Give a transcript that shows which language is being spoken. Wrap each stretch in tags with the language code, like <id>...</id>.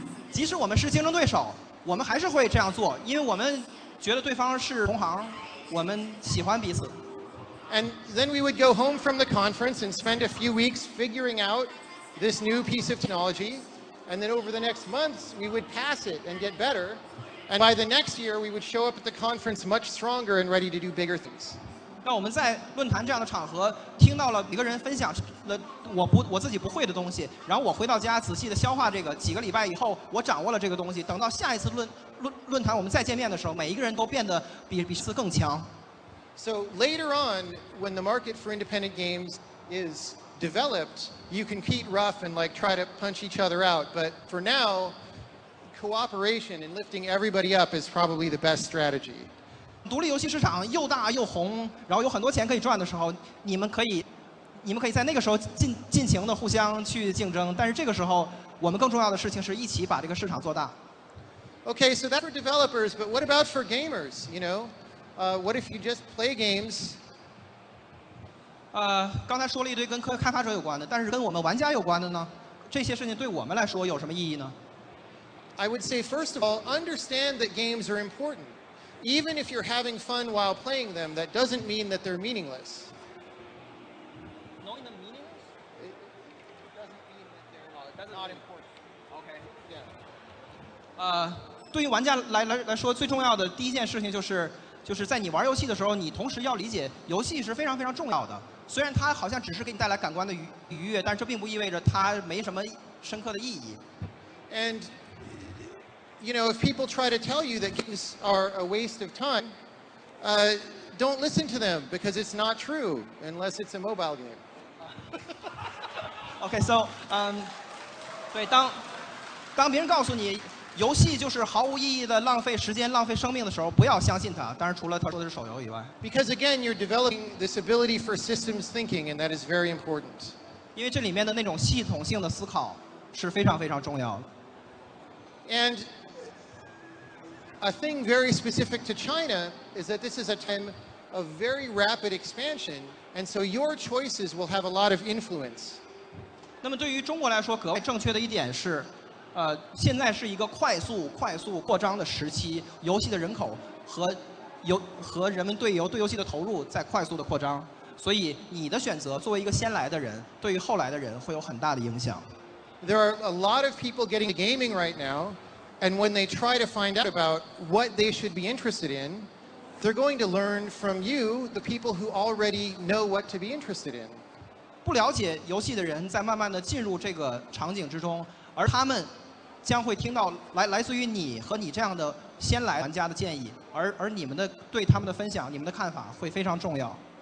<zh>即使我们是竞争对手，我们还是会这样做，因为我们觉得对方是同行，我们喜欢彼此。</zh> <en>And then we would go home from the conference and spend a few weeks figuring out this new piece of technology. And then over the next months, we would pass it and get better. And by the next year, we would show up at the conference much stronger and ready to do bigger things.</en> <zh>那我们在论坛这样的场合听到了一个人分享了我自己不会的东西，然后我回到家仔细的消化这个，几个礼拜以后我掌握了这个东西，等到下一次论坛我们再见面的时候，每一个人都变得比次更强。</zh> <en>So later on, when the market for independent games is developed, you can keep rough and like try to punch each other out, but for now, cooperation and lifting everybody up is probably the best strategy.</en> <zh>独立游戏市场又大又红，然后有很多钱可以赚的时候，你们可以在那个时候尽情的互相去竞争，但是这个时候我们更重要的事情是一起把这个市场做大。</zh> <en>Okay, so that's for developers, but what about for gamers, you know? What if you just play games?</en> <zh>刚才说了一堆跟开发者有关的，但是跟我们玩家有关的呢？这些事情对我们来说有什么意义呢？</zh> <en>I would say, first of all, understand that games are important. Even if you're having fun while playing them, that doesn't mean that they're meaningless. Knowing them meaningless? It doesn't mean that they're not important. Okay. Yeah.</en> <zh>对于玩家来说，最重要的第一件事情就是在你玩游戏的时候，你同时要理解游戏是非常非常重要的。虽然它好像只是给你带来感官的愉悦，但这并不意味着它没什么深刻的意义。</zh> <en>And you know, if people try to tell you that games are a waste of time, don't listen to them because it's not true unless it's a mobile game. Okay, so</en> <zh>对，当别人告诉你游戏就是毫无意义的浪费时间浪费生命的时候不要相信它当然除了他说的是手游以外</zh> <en>Because again you're developing this ability for systems thinking and that is very important</en> <zh>因为这里面的那种系统性的思考是非常非常重要的</zh> <en>And a thing very specific to China is that this is a time of very rapid expansion and so your choices will have a lot of influence</en> <zh>那么对于中国来说格外正确的一点是现在是一个快速扩张的时期游戏的人口和人们对游戏的投入在快速的扩张所以你的选择作为一个先来的人对于后来的人会有很大的影响</zh> <en>There are a lot of people getting into gaming right now and when they try to find out about what they should be interested in they're going to learn from you the people who already know what to be interested in</en> <zh>不了解游戏的人在慢慢的进入这个场景之中而他们将会听到 来自于你和你这样的先来玩家的建议 而你们的对他们的分享你们的看法会非常重要</zh>